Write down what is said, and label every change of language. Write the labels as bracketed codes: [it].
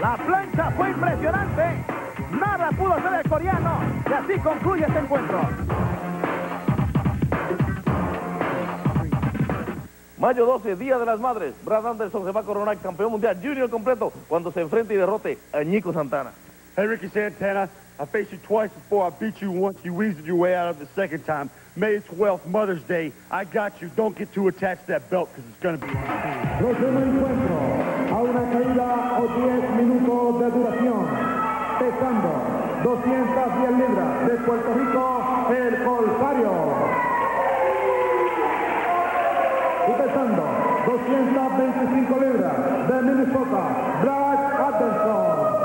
[es] La plancha fue impresionante. Nada pudo hacer el coreano. Y así concluye este encuentro. Mayo 12, Día de las Madres. Brad Anderson se va a coronar campeón mundial junior completo cuando se enfrente y derrote a Nico Santana. [en] Hey, Ricky Santana, I faced you twice before. I beat you once. You weaseled your way out of the second time. May 12th, Mother's Day. I got you. Don't get too attached to that belt because it's going to be a [es] próximo encuentro a una caída o 10 minutos de duración. Pesando 210 libras de Puerto Rico, el Colfario. Y pesando 225 libras de Minnesota, Brad Anderson.